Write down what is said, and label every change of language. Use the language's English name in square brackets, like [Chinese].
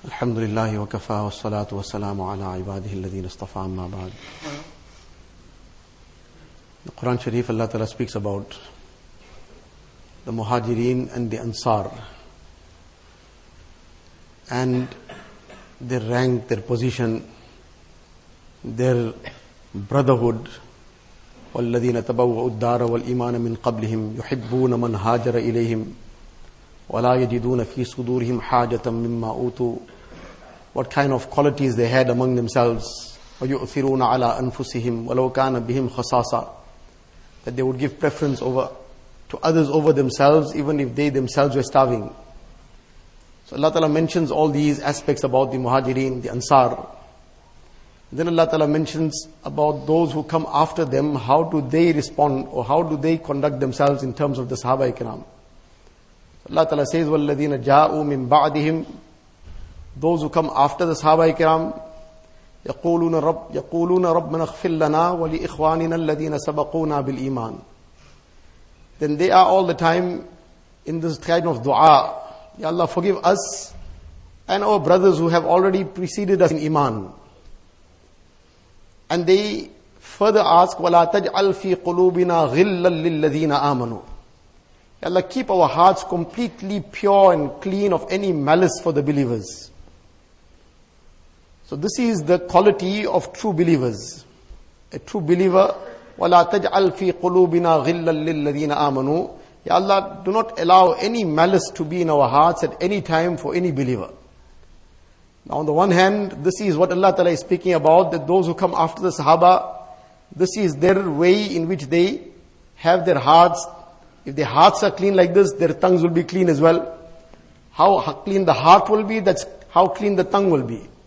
[Arabic] الحمد لله وكفى والصلاة والسلام على عباده الذين اصطفى ما بعد. [English] The Quran Sharif, Allah Ta'ala speaks about the Muhajireen and the Ansar and their rank, their position, their brotherhood. [Arabic] والذين تبوأوا الدار والإيمان من قبلهم يحبون من هاجر إليهم ولا يجدون في صدورهم حاجة مما أوتوا. [English] What kind of qualities they had among themselves. [Arabic] وَيُؤْثِرُونَ عَلَىٰ أَنفُسِهِمْ وَلَوْ كَانَ بِهِمْ خَصَاصَةً. [English] That they would give preference over to others over themselves, even if they themselves were starving. So Allah Ta'ala mentions all these aspects about the Muhajireen, the Ansar. Then Allah Ta'ala mentions about those who come after them, how do they respond or how do they conduct themselves in terms of the Sahaba Ikram. So Allah Ta'ala says, [Arabic] وَالَّذِينَ جَاءُوا مِنْ بَعْدِهِمْ. [English] Those who come after the Sahaba Ikram, [Arabic] يَقُولُونَ رَبَّنَا اغْفِرْ لَنَا وَلِإِخْوَانِنَا الَّذِينَ سَبَقُونَا بِالْإِيمَانِ. [English] Then they are all the time in this kind of dua. Ya Allah, forgive us and our brothers who have already preceded us in iman. And they further ask, [Arabic] وَلَا تَجْعَلْ فِي قُلُوبِنَا غِلًّا لِلَّذِينَ آمَنُوا. [English] Ya Allah, keep our hearts completely pure and clean of any malice for the believers. So this is the quality of true believers. A true believer, [Arabic] وَلَا تَجْعَلْ فِي قُلُوبِنَا غِلًّا لِلَّذِينَ آمَنُوا. [English] Ya Allah, do not allow any malice to be in our hearts at any time for any believer. Now on the one hand, this is what Allah Ta'ala is speaking about, that those who come after the Sahaba, this is their way in which they have their hearts. If their hearts are clean like this, their tongues will be clean as well. How clean the heart will be, that's how clean the tongue will be.